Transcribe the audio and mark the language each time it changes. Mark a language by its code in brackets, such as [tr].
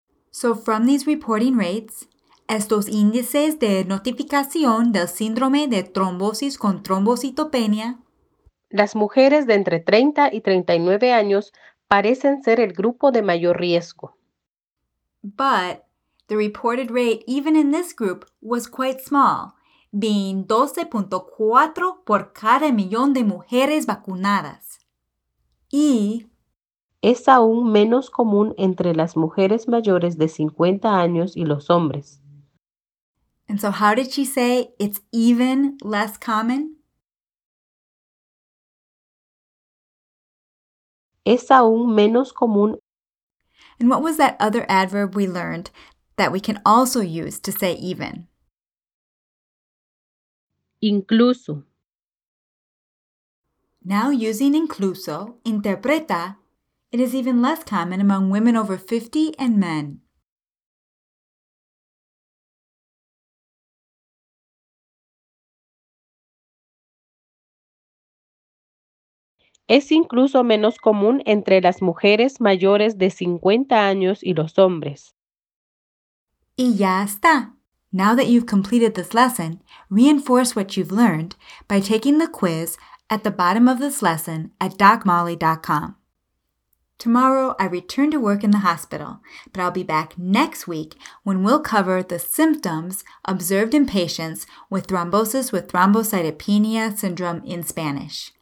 [en] So from these reporting rates, [es] estos índices de notificación del síndrome de trombosis con trombocitopenia, las mujeres de entre 30 y 39 años parecen ser el grupo de mayor riesgo. [en] But the reported rate even in this group was quite small, being 12.4 [es] por cada millón de mujeres vacunadas. Y es aún menos común entre las mujeres mayores de 50 años y los hombres. [en] And so how did she say it's even less common? [es] Es aún menos común. [en] And what was that other adverb we learned that we can also use to say even? [es] Incluso. [en] Now using incluso, [es] interpreta, [en] it is even less common among women over 50 and men. [es] Es incluso menos común entre las mujeres mayores de 50 años y los hombres. Y ya está. [en] Now that you've completed this lesson, reinforce what you've learned by taking the quiz at the bottom of this lesson at DocMolly.com. Tomorrow, I return to work in the hospital, but I'll be back next week when we'll cover the symptoms observed in patients with thrombosis with thrombocytopenia syndrome in Spanish.